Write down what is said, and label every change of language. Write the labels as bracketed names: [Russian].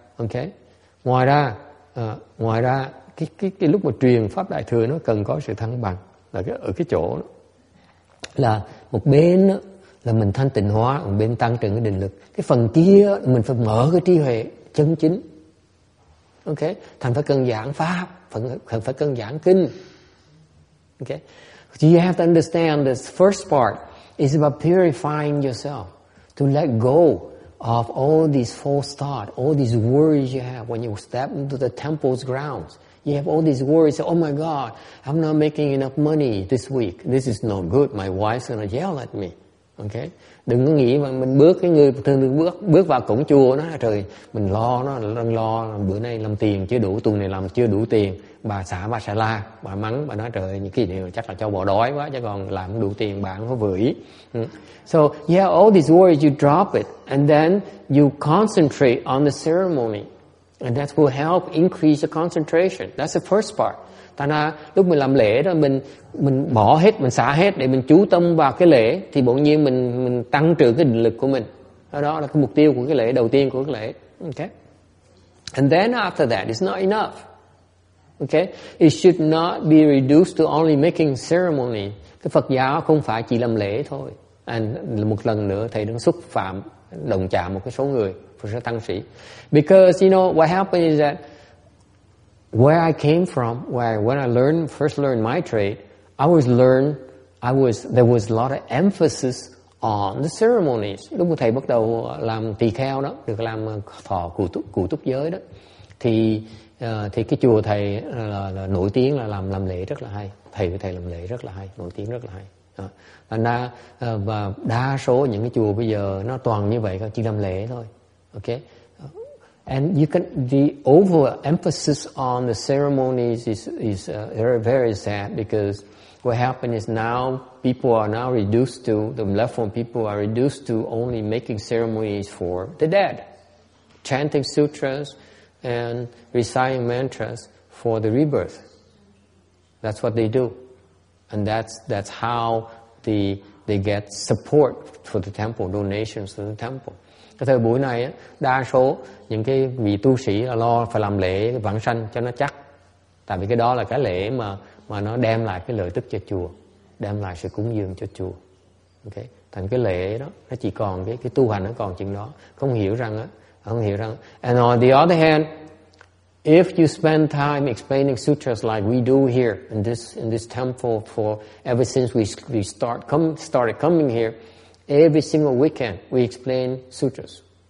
[Vietnamese] Ok, ngoài ra cái lúc mà truyền pháp đại thừa nó cần có sự thăng bằng là cái, ở cái chỗ đó. Là một bên đó, là mình thanh tịnh hóa, một bên tăng trưởng cái định lực, cái phần kia đó, mình phải mở cái trí huệ chân chính. Ok, thành phải cần giảng pháp, phải cần giảng kinh. [English] Ok, do you have to understand this first part is about purifying yourself to let go of all these false thoughts, all these worries you have when you step into the temple's grounds. You have all these worries, oh my God, I'm not making enough money this week. This is no good, my wife's gonna yell at me. Okay? [Vietnamese] Đừng có nghĩ mà mình bước cái người thường thường bước vào cổng chùa nó, trời, mình lo nó, đang lo bữa nay làm tiền chưa đủ, tuần này làm chưa đủ tiền. Bà xã, bà sẽ la, bà mắng, bà nói trời, những cái điều chắc là cho bỏ đói quá, chứ còn làm đủ tiền bạn có vừa ý. [English] So, yeah, all these worries, you drop it, and then you concentrate on the ceremony. And that will help increase the concentration. That's the first part. [Vietnamese] Thành ra lúc mình làm lễ đó, mình bỏ hết, mình xả hết để mình chú tâm vào cái lễ, thì bỗng nhiên mình tăng trưởng cái định lực của mình. Đó là cái mục tiêu của cái lễ, đầu tiên của cái lễ. [English] Okay? And then after that, it's not enough. Okay? It should not be reduced to only making ceremony. [Vietnamese] Cái Phật giáo không phải chỉ làm lễ thôi. And một lần nữa, thầy đang xúc phạm, đồng chạm một cái số người. [English] Because you know what happened is that where I came from, when I first learned my trade, there was a lot of emphasis on the ceremonies. [Vietnamese] Lúc thầy bắt đầu làm tỳ kheo đó, được làm thọ cụ túc giới đó, thì cái chùa thầy là nổi tiếng là làm lễ rất là hay. Thầy của thầy làm lễ rất là hay, nổi tiếng rất là hay. Và đa số những cái chùa bây giờ nó toàn như vậy, chỉ làm lễ thôi. [English] Okay, and the overemphasis on the ceremonies is very, very sad, because what happened is now people are now reduced to, the left-wing people are reduced to only making ceremonies for the dead, chanting sutras and reciting mantras for the rebirth. That's what they do, and that's how they get support for the temple, donations to the temple. [Vietnamese] Cái thời buổi này đa số những cái vị tu sĩ là lo phải làm lễ vãng sanh cho nó chắc, tại vì cái đó là cái lễ mà nó đem lại cái lợi tức cho chùa, đem lại sự cúng dường cho chùa. Ok, thành cái lễ đó nó chỉ còn cái tu hành, nó còn chuyện đó, không hiểu rằng. [English] And on the other hand, if you spend time explaining sutras like we do here in this temple for ever since we started coming here, every single weekend, we explain sutras.